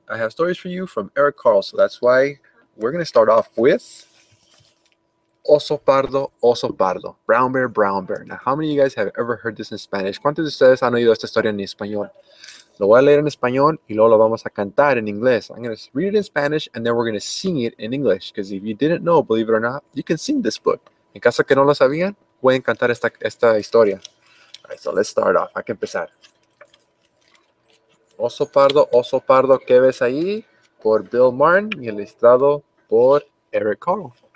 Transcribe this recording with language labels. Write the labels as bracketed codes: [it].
[en] I have stories for you from Eric Carle. So that's why we're going to start off with oso pardo, brown bear, brown bear. Now, how many of you guys have ever heard this in Spanish? [es] ¿Cuántos de ustedes han oído esta historia en español? Lo voy a leer en español y luego lo vamos a cantar en inglés. [en] I'm going to read it in Spanish and then we're going to sing it in English. Because if you didn't know, believe it or not, you can sing this book. [es] En caso que no lo sabían, pueden cantar esta historia. [en] All right, so let's start off. [es] Hay que empezar. Oso pardo, ¿qué ves ahí? Por Bill Martin y ilustrado por Eric Carle.